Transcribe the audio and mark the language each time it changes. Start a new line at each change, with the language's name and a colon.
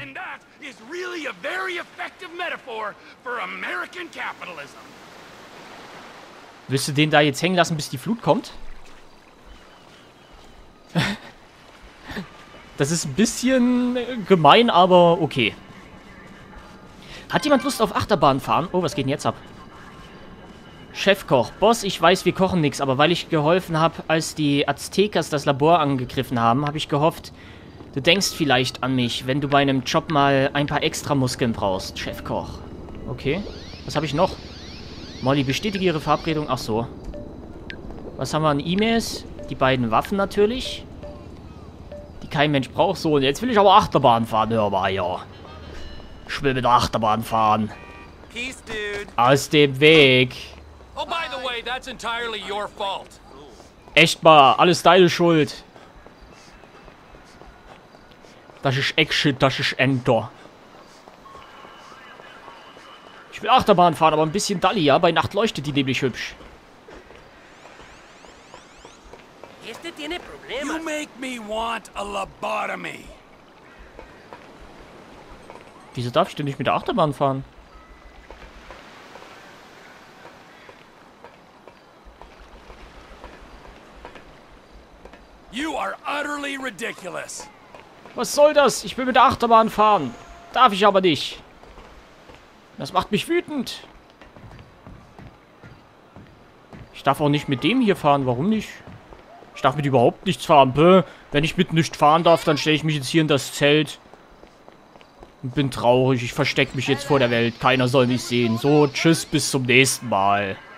English: And that is really a very effective metaphor for American capitalism.
German: Willst du den da jetzt hängen lassen, bis die Flut kommt? Das ist ein bisschen gemein, aber okay. Hat jemand Lust auf Achterbahn fahren? Oh, was geht denn jetzt ab? Chefkoch. Boss, ich weiß, wir kochen nichts, aber weil ich geholfen habe, als die Aztekas das Labor angegriffen haben, habe ich gehofft, du denkst vielleicht an mich, wenn du bei einem Job mal ein paar extra Muskeln brauchst, Chefkoch. Okay, was habe ich noch? Molly, bestätige ihre Verabredung. Ach so. Was haben wir an E-Mails? Die beiden Waffen natürlich. Die kein Mensch braucht. So, und jetzt will ich aber Achterbahn fahren, hörbar, ja. Ich will mit Achterbahn fahren.
English: Peace, dude.
German: Aus dem Weg.
English: Oh, by the way, that's entirely your fault.
German: Echt mal, alles deine Schuld. Das ist Exit, das ist Enter. Ich will Achterbahn fahren, aber ein bisschen Dalli, ja? Bei Nacht leuchtet die nämlich hübsch.
English: You make me want a lobotomy.
German: Wieso darf ich denn nicht mit der Achterbahn fahren?
English: You are utterly ridiculous.
German: Was soll das? Ich will mit der Achterbahn fahren. Darf ich aber nicht. Das macht mich wütend. Ich darf auch nicht mit dem hier fahren. Warum nicht? Ich darf mit überhaupt nichts fahren. Bäh. Wenn ich mit nichts fahren darf, dann stelle ich mich jetzt hier in das Zelt. Und bin traurig. Ich verstecke mich jetzt vor der Welt. Keiner soll mich sehen. So, tschüss, bis zum nächsten Mal.